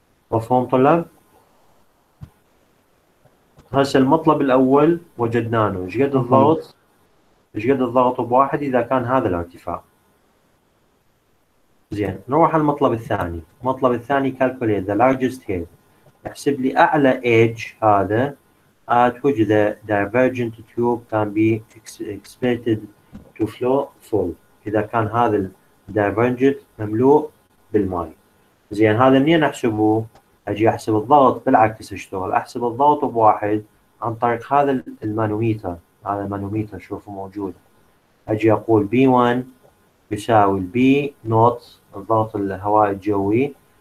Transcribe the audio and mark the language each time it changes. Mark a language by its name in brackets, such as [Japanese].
[Arabic] مفهوم طلاب؟ هسه المطلب الاول وجدناه، ايش قد الضغط؟ ايش قد الضغط بواحد اذا كان هذا الارتفاع؟ زين نروح على المطلب الثاني. المطلب الثاني [English] calculate the largest head، [Arabic] احسب لي اعلى ايدج هذا [English] at which the divergent tube can be expected to flow full. [Arabic] إذا كان هذا الدايفرجنت مملوء بالماء. زين هذا منين أحسبه؟ أجي أحسب الضغط بالعكس أشتغل. أحسب الضغط بواحد عن طريق هذا المانوميتر. هذا المانوميتر شوفه موجود. أجي أقول B1 يساوي B نوت الضغط الهواء الجوي.